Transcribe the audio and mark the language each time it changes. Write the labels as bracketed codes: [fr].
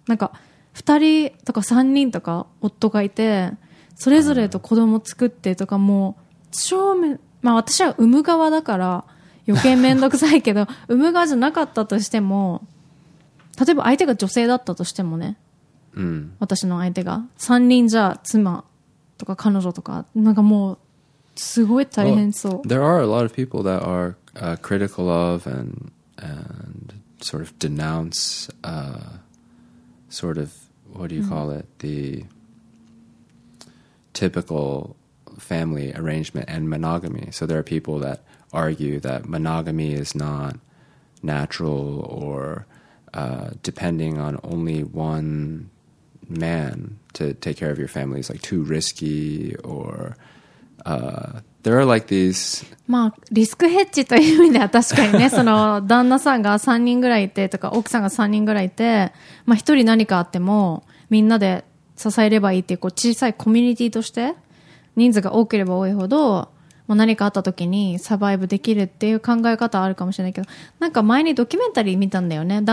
[ja] なんか2人とか3人とか夫がいて、それぞれと子供作ってとかもう超めん、まあ私は産む側だから余計めんどくさいけど、産む側じゃなかったとしても、例えば相手が女性だったとしてもね。私の相手が3人じゃ妻とか彼女とかなんかもうすごい大変そう。 [en] Well, there are a lot of people that are critical of and sort of denounce sort of what do you call it the typical family arrangement and monogamy. So there are people that argue that monogamy is not natural or depending on only oneman to take care of your family is like too risky or there are like these [ja] まあリスクヘッジという意味では確かにね、その旦那さんが3人ぐらいいてとか奥さんが3人ぐらいいて、まあ一人何かあってもみんなで支えればいいっていう、こう小さいコミュニティとして人数が多ければ多いほど、もう何かあった時にサバイブできるっていう考え方あるかもしれないけど、なんか前にドキュメンタリー見たんだよね。